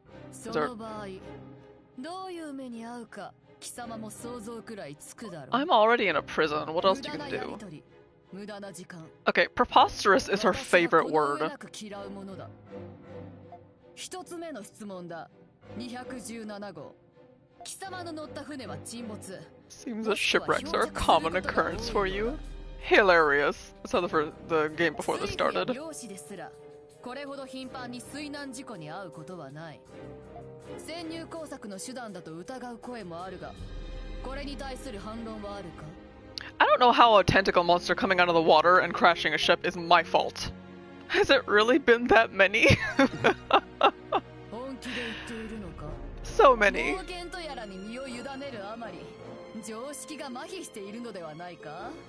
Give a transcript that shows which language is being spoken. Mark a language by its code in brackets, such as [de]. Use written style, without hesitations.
[ja] その場合、どういう目に遭うか、貴様も想像くらいつくだろう。 [en] I'm already in a prison. What else are you gonna do? [ja] 無駄なやり取り、無駄な時間。 [en] Okay, preposterous is her favorite word. [ja] 私はこの世なく嫌うものだ。一つ目の質問だ。 217号。貴様の乗った船は沈没。 [en] Seems that shipwrecks are a common occurrence for you. Hilarious. That's how the game before this started. [ja] 漁師ですら、これほど頻繁に水難事故に遭うことはない。潜入工作の手段だと疑う声もあるが、これに対する反論はあるか？ [en] I don't know how a tentacle monster coming out of the water and crashing a ship is my fault. Has it really been that many? [ja] 本気で言っているのか？ [en] So many. [ja] 冒険とやらに身を委ねるあまり、常識が麻痺しているのではないか？